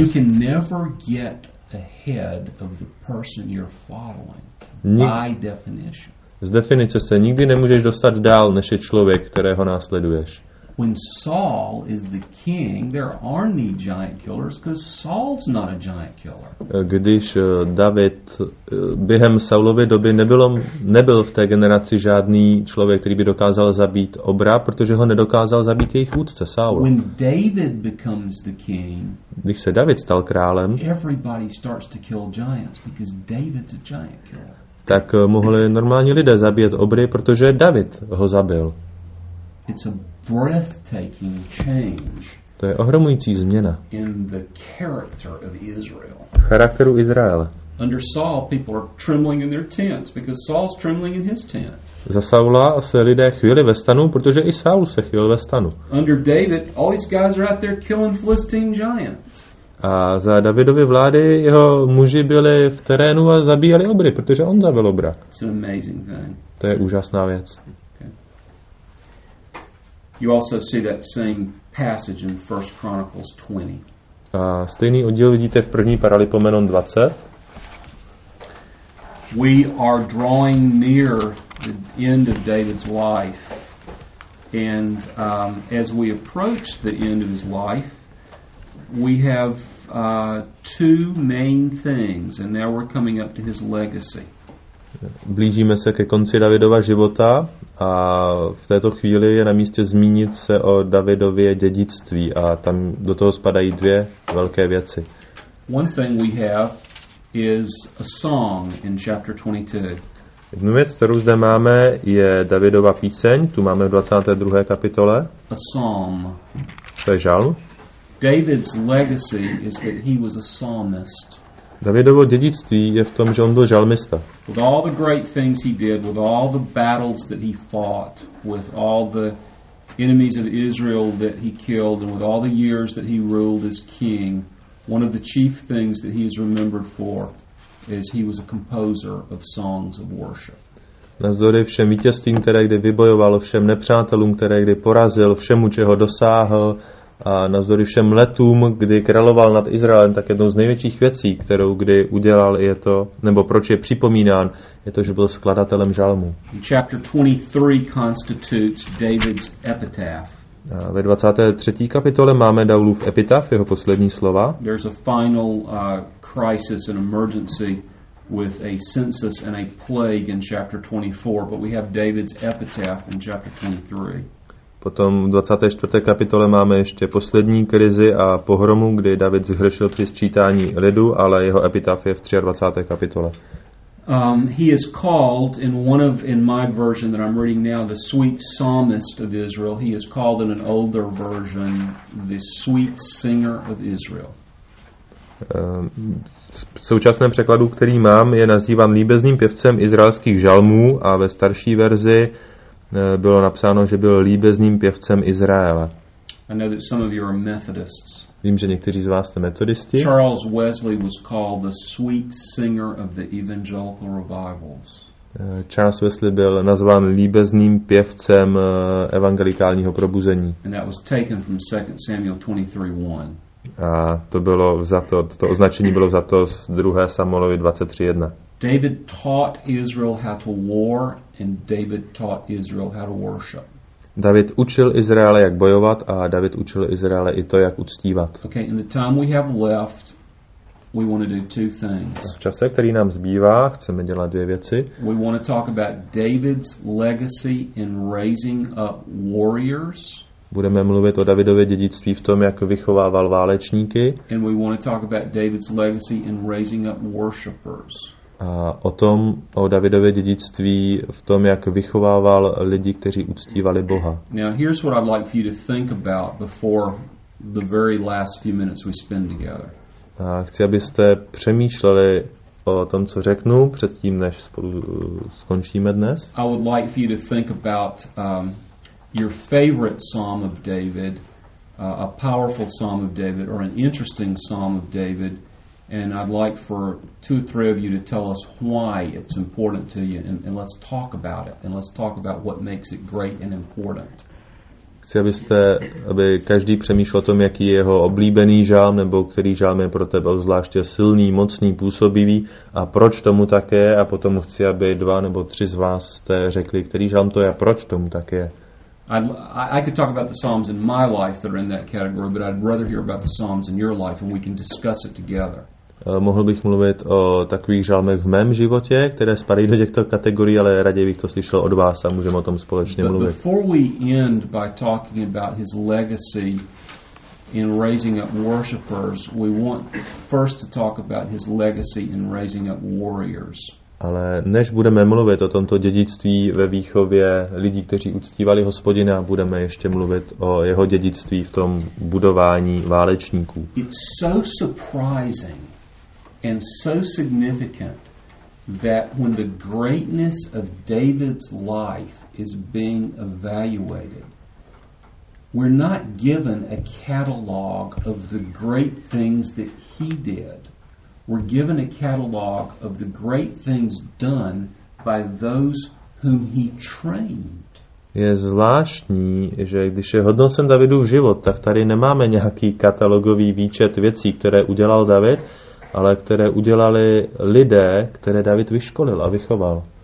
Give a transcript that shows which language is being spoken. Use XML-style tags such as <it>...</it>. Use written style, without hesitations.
<en>You can never get ahead of the person you're following. By definition.</en> <cs>Z definice se nikdy nemůžeš dostat dál než je člověk, kterého následuješ.</cs> <en>When Saul is the king, there aren't any giant killers because Saul's not a giant killer.</en> <cs>Když David během Saulovy doby nebyl v té generaci žádný člověk, který by dokázal zabít obra, protože ho nedokázal zabít jejich vůdce Saul.</cs> <en>When David becomes the king,</en> <cs>když se David stal králem,</cs> <en>everybody starts to kill giants because David's a giant killer.</en> <cs>Tak mohli normální lidé zabít obry, protože David ho zabil.</cs> <en>It's a breathtaking change.</en> <cs>To je ohromující změna.</cs> <en>In the character of Israel.</en> <cs>V charakteru Izraele.</cs> <en>Under Saul, people are trembling in their tents because Saul's trembling in his tent.</en> <cs>Za Saula se lidé chvíli ve stanu, protože i Saul se chvíli ve stanu.</cs> <en>Under David, all these guys are out there killing Philistine giants.</en> <cs>A za Davidovy vlády jeho muži byli v terénu a zabíjeli obry, protože on zabil obra.</cs> <en>It's an amazing thing.</en> <cs>To je úžasná věc.</cs> <en>You also see that same passage in 1 Chronicles 20.</en> <cs>A stejný oddíl vidíte v první Paralipomenon 20.</cs> <en>We are drawing near the end of David's life. And as we approach the end of his life, we have two main things, and now we're coming up to his legacy.</en> <cs>Blížíme se ke konci Davidova života a v této chvíli je na místě zmínit se o Davidově dědictví a tam do toho spadají dvě velké věci.</cs> <en>One thing we have is a song in chapter 22.</en> <cs>Jednu věc, kterou zde máme, je Davidova píseň, tu máme v 22. kapitole.</cs> <en>A psalm.</en> <cs>To je žalm.</cs> <en>David's legacy is that he was a psalmist.</en> <cs>Davidovo dědictví je v tom, že on byl žalmista.</cs> <en>With all the great things he did, with all the battles that he fought, with all the enemies of Israel that he killed, and with all the years that he ruled as king, one of the chief things that he is remembered for is he was a composer of songs of worship.</en> <cs>Navzdory všem vítězstvím, které kdy vybojoval, všem nepřátelům, které kdy porazil, všemu, čeho dosáhl, a navzdory všem letům, kdy královal nad Izraelem, tak jednou z největších věcí, kterou kdy udělal, je to, nebo proč je připomínán, je to, že byl skladatelem žalmu.</cs> <en>Chapter 23 constitutes David's epitaph.</en> <cs>A ve 23. kapitole máme Davidův epitaf, jeho poslední slova.</cs> <en>There's a final crisis and emergency with a census and a plague in chapter 24, but we have David's epitaph in chapter 23.</en> <cs>Potom v 24. kapitole máme ještě poslední krizi a pohromu, kdy David zhřešil při sčítání lidu, ale jeho epitaf je v 23. kapitole.</cs> <en>He is called in one of in my version that I'm reading now the sweet psalmist of Israel. He is called in an older version the sweet singer of Israel.</en> <cs>V současném překladu, který mám, je nazýván líbezným pěvcem izraelských žalmů a ve starší verzi bylo napsáno, že byl líbezným pěvcem Izraele.</cs> <en>I know that some of you are Methodists.</en> <cs>Vím, že někteří z vás jste metodisti.</cs> <en>Charles Wesley was called the sweet singer of the evangelical revivals.</en> <cs>Charles Wesley byl nazván líbezným pěvcem evangelikálního probuzení.</cs> <en>And that was taken from 2 Samuel 23:1.</en> <cs>A to bylo vzato, to označení bylo vzato z 2. Samuelovi 23:1.</cs> <en>David taught Israel how to war and David taught Israel how to worship.</en> <cs>David učil Izraele jak bojovat a David učil Izraele i to jak uctívat.</cs> <en>Okay, in the time we have left, we want to do two things.</en> <cs>V čase, který nám zbývá, chceme dělat dvě věci.</cs> <en>We want to talk about David's legacy in raising up warriors.</en> <cs>Budeme mluvit o Davidově dědictví v tom, jak vychovával válečníky.</cs> <en>And we want to talk about David's legacy in raising up worshipers.</en> <cs>A o tom, o Davidově dědictví v tom, jak vychovával lidi, kteří uctívali Boha.</cs> <en>Now, here's what I'd like for you to think about before the very last few minutes we spend together.</en> <cs>A chci, abyste přemýšleli o tom, co řeknu předtím, než spolu skončíme dnes.</cs> <en>I would like for you to think about your favorite psalm of David, a powerful psalm of David, or an interesting psalm of David. And I'd like for two or three of you to tell us why it's important to you, and let's talk about it, and let's talk about what makes it great and important.</en> <cs>Chci, abyste, aby každý přemýšlel o tom, jaký je jeho oblíbený žalm, nebo který žalm je pro tebe zvláště silný, mocný, působivý, a proč tomu tak je, a potom chci, aby dva nebo tři z vás jste řekli, který žalm to je a proč tomu tak je.</cs> <en>I could talk about the psalms in my life that are in that category, but I'd rather hear about the psalms in your life and we can discuss it together.</en> <cs>Mohl bych mluvit o takových žalmech v mém životě, které spadají do těchto kategorií, ale raději bych to slyšel od vás a můžeme o tom společně mluvit.</cs> <en>But before we end by talking about his legacy in raising up worshipers, we want first to talk about his legacy in raising up warriors.</en> <cs>Ale než budeme mluvit o tomto dědictví ve výchově lidí, kteří uctívali Hospodina, budeme ještě mluvit o jeho dědictví v tom budování válečníků.</cs> <en>It's so surprising and so significant that when the greatness of David's life is being evaluated, we're not given a catalog of the great things that he did. We're given a catalog of the great things done by those whom he trained.</en> <cs>Je zvláštní, že když je hodnocen Davidův život, tak tady nemáme nějaký katalogový výčet věcí, které udělal David, ale které udělali lidé, které David vyškolil a vychoval.</cs>